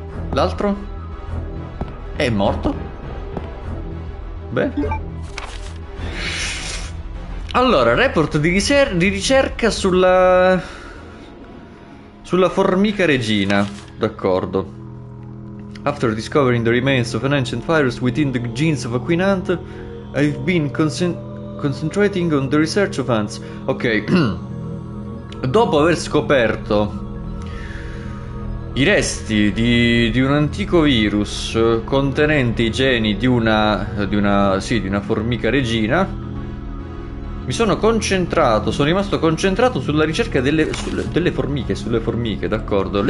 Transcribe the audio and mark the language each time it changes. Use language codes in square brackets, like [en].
[it] L'altro? È morto? Beh. Allora, report di ricerca sulla formica regina, d'accordo. [en] After discovering the remains of an ancient virus within the genes of a queen ant, I've been concentrating on the research of ants. [it] Ok, dopo aver scoperto i resti di un antico virus contenente i geni di una formica regina, mi sono concentrato, sono rimasto concentrato sulla ricerca delle formiche, d'accordo.